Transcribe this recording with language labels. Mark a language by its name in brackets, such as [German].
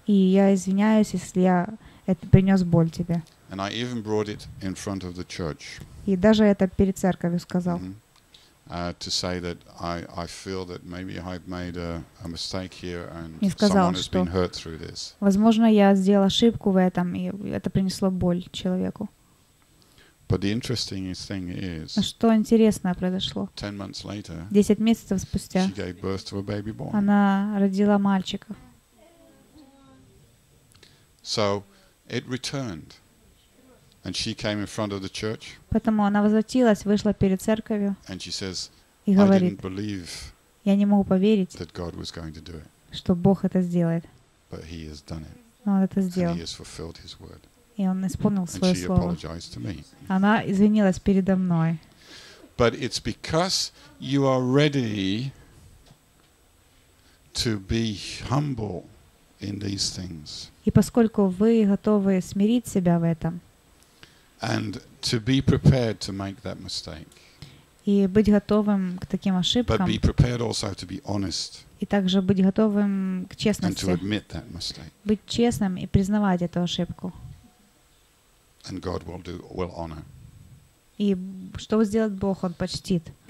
[Russian] И я извиняюсь, если я это принес боль тебе. [English] And I even brought it in front of the church. [Russian] И даже это перед церковью сказал. [English] To say that I feel that maybe I've made a mistake here and [Russian] и сказал, [English] someone has been hurt through this. [Russian] Возможно, я сделал ошибку в этом и это принесло боль человеку. [English] But the interesting thing is, [Russian] что интересное произошло? [English] 10 months later, [Russian] 10 месяцев спустя, [English] she gave birth to a baby boy. [Russian] Она родила мальчика. [English] So it returned, and she came in front of the church. [Russian] Поэтому она возвратилась, вышла перед церковью. [English] And she says, [Russian] и говорит, [English] I didn't believe, [Russian] я не могу поверить, [English] that God was going to do it. [Russian] Что Бог это сделает. [English] But He has done it. [Russian] Но Он это сделал. [English] And He has fulfilled His word. [Russian] И он исполнил свое слово. [English] To me. [Russian] Она извинилась передо мной. [English] But it's because you are ready to be humble in these things. [Russian] И поскольку вы готовы смирить себя в этом. [English] And to be prepared to make that mistake. [Russian] И быть готовым к таким ошибкам. [English] But be prepared also to be honest. [Russian] И также быть готовым к честности. [English] And to admit that mistake. [Russian] Быть честным и признавать эту ошибку. [English] And God will do, will honor. [Russian] И что сделает Бог, Он почтит.